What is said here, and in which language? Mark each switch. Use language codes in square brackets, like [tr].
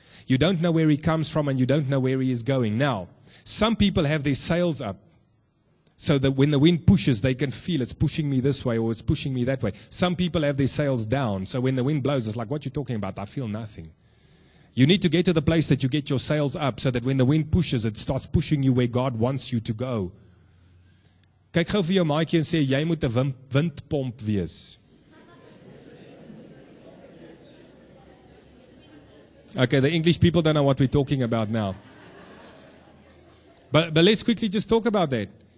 [en] You don't know where he comes from and you don't know where he is going. Now, some people have their sails up so that when the wind pushes, they can feel it's pushing me this way or it's pushing me that way. Some people have their sails down. So when the wind blows, it's like, what are you talking about? I feel nothing. You need to get to the place that you get your sails up so that when the wind pushes, it starts pushing you where God wants you to go. [af] Kijk gauw vir jou maatjie en sê, jy moet 'n windpomp wees. [en] Okay, the English people don't know what we're talking about now. But let's quickly just talk about that.